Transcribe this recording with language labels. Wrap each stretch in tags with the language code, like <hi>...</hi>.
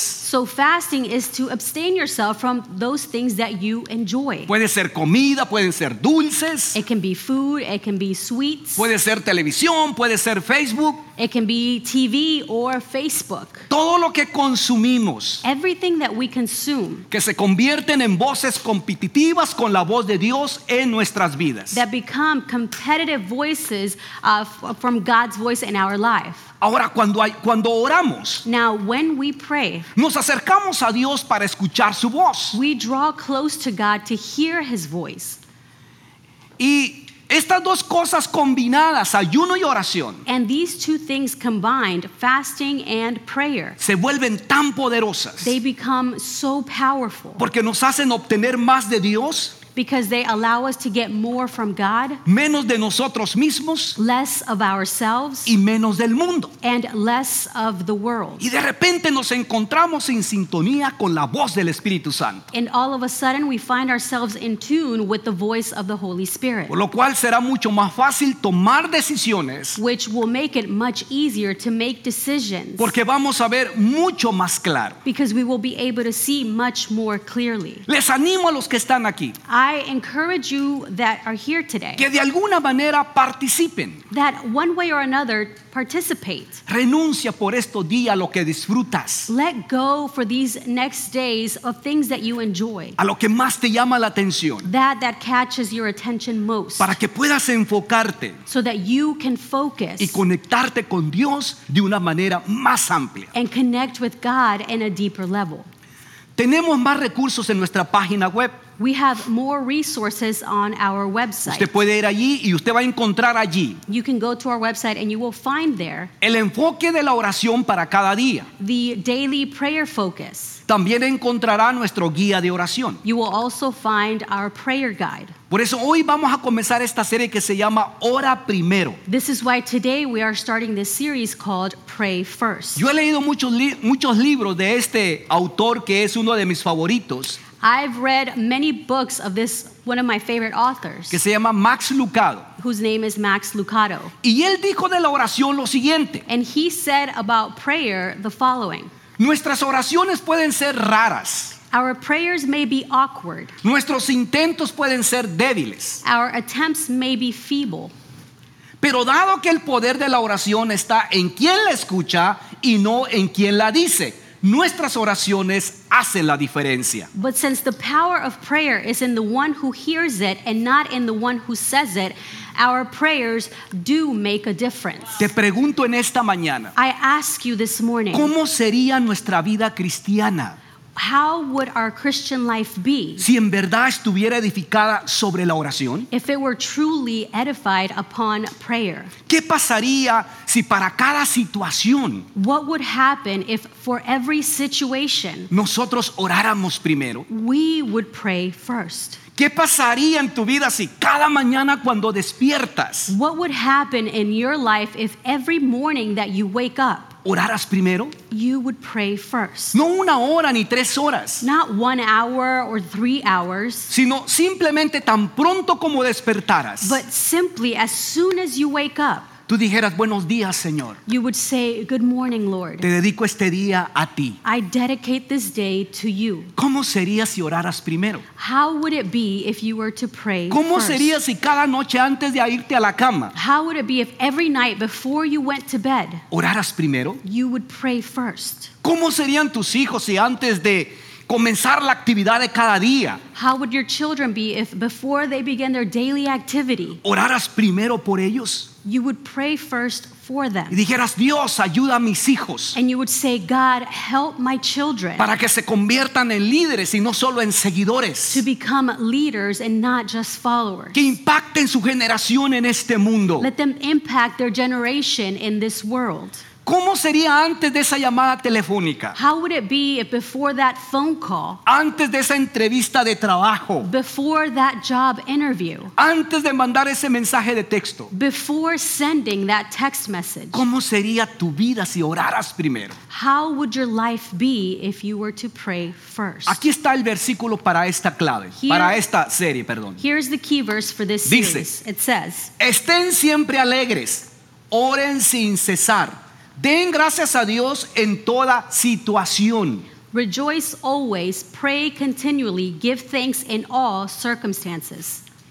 <en>So fasting is to abstain yourself from those things that you enjoy.</en> <es>Puede ser comida, pueden ser dulces.</es> <en>It can be food, it can be sweets.</en> <es>Puede ser televisión, puede ser Facebook.</es> <en>It can be TV or Facebook.</en> <es>Todo lo que consumimos.</es> <en>Everything that we consume.</en> <es>Que se convierten en voces competitivas con la voz de Dios en nuestras vidas.</es> <en>That become competitive voices from God's voice in our life.</en> <es>Ahora cuando oramos.</es> <en>Now when we pray.</en> <es>Nos acercamos a Dios para escuchar su voz.</es> <en>We draw close to God to hear his voice.</en> <es>Y estas dos cosas combinadas, ayuno y oración,</es> <en>and these two things combined, fasting and prayer,</en> <es>se vuelven tan poderosas.</es> <en>They become so powerful.</en> <es>Porque nos hacen obtener más de Dios.</es> <en>Because they allow us to get more from God.</en> <es>Menos de nosotros mismos.</es> <en>Less of ourselves.</en> <es>Y menos del mundo.</es> <en>And less of the world.</en> <es>Y de repente nos encontramos en sintonía con la voz del Espíritu Santo.</es> <en>And all of a sudden we find ourselves in tune with the voice of the Holy Spirit.</en> <es>Por lo cual será mucho más fácil tomar decisiones.</es> <en>Which will make it much easier to make decisions.</en> <es>Porque vamos a ver mucho más claro.</es> <en>Because we will be able to see much more clearly.</en> <es>Les animo a los que están aquí.</es> <en>I encourage you that are here today,</en> <es>que de alguna manera participen,</es> <en>that one way or another participate.</en> <es>Renuncia por estos días a lo que disfrutas.</es> <en>Let go for these next days of things that you enjoy.</en> <es>A lo que más te llama la atención.</es> <en>That catches your attention most.</en> <es>Para que puedas enfocarte.</es> <en>So that you can focus.</en> <es>Y conectarte con Dios de una manera más amplia.</es> <en>And connect with God in a deeper level.</en> <es>Tenemos más recursos en nuestra página web.</es> <en>We have more resources on our website.</en> <es>Usted puede ir allí y usted va a encontrar allí.</es> <en>You can go to our website and you will find there.</en> <es>El enfoque de la oración para cada día.</es> <en>The daily prayer focus.</en> <es>También encontrará nuestro guía de oración.</es> <en>You will also find our prayer guide.</en> <es>Por eso hoy vamos a comenzar esta serie que se llama Ora Primero.</es> <en>This is why today we are starting this series called Pray First.</en> <es>Yo he leído muchos libros de este autor que es uno de mis favoritos.</es> <en>I've read many books of this, one of my favorite authors,</en> <es>que se llama Max Lucado,</es> <en>whose name is Max Lucado.</en> <es>Y él dijo de la oración lo siguiente.</es> <en>And he said about prayer the following.</en> <es>Nuestras oraciones pueden ser raras.</es> <en>Our prayers may be awkward.</en> <es>Nuestros intentos pueden ser débiles.</es> <en>Our attempts may be feeble.</en> <es>Pero dado que el poder de la oración está en quien la escucha y no en quien la dice, nuestras oraciones hacen la diferencia.</es> <en>But since the power of prayer is in the one who hears it and not in the one who says it, our prayers do make a difference.</en> <es>Te pregunto en esta mañana.</es> <en>I ask you this morning.</en> <es>¿Cómo sería nuestra vida cristiana?</es> <en>How would our Christian life be?</en> <es>Si en verdad estuviera edificada sobre la oración.</es> <en>If it were truly edified upon prayer.</en> <es>¿Qué pasaría si para cada situación?</es> <en>What would happen if for every situation.</en> <es>Nosotros oráramos primero.</es> <en>We would pray first.</en> <es>¿Qué pasaría en tu vida si cada mañana cuando despiertas?</es> <en>What would happen in your life if every morning that you wake up.</en> <es>¿Oraras primero?</es> <en>You would pray first.</en> <es>No una hora ni tres horas.</es> <en>Not 1 hour or 3 hours.</en> <es>Sino simplemente tan pronto como despertaras.</es> <en>But simply as soon as you wake up.</en> <es>Tú dijeras buenos días, Señor.</es> <en>You would say good morning, Lord.</en> <es>Te dedico este día a ti.</es> <en>I dedicate this day to you.</en> <es>¿Cómo sería si oraras primero?</es> <en>How would it be if you were to pray first?</en> <es>¿Cómo sería si cada noche antes de irte a la cama?</es> <en>How would it be if every night before you went to bed?</en> <es>¿Oraras primero?</es> <en>You would pray first.</en> <es>¿Cómo serían tus hijos si antes de comenzar la actividad de cada día?</es> <en>How would your children be if before they begin their daily activity?</en> <es>¿Oraras primero por ellos?</es> <en>You would pray first for them.</en> <es>Y dijeras, Dios, ayuda a mis hijos.</es> <en>And you would say, God, help my children.</en> <es>Para que se conviertan en líderes y no solo en seguidores.</es> <en>To become leaders and not just followers.</en> <es>Que impacten su generación en este mundo.</es> <en>Let them impact their generation in this world.</en> <es>¿Cómo sería antes de esa llamada telefónica?</es> <en>How would it be if before that phone call?</en> <es>Antes de esa entrevista de trabajo.</es> <en>Before that job interview.</en> <es>Antes de mandar ese mensaje de texto.</es> <en>Before sending that text message.</en> <es>¿Cómo sería tu vida si oraras primero?</es> <en>How would your life be if you were to pray first?</en> <es>Aquí está el versículo para esta clave, para esta serie, perdón.</es> <en>Here's the key verse for this series.</en> <es>Dice,</es> <en>it says,</en> <es>estén siempre alegres, oren sin cesar. Den gracias a Dios en toda situación.</es> <en>Rejoice always, pray continually, give thanks in all circumstances.</en>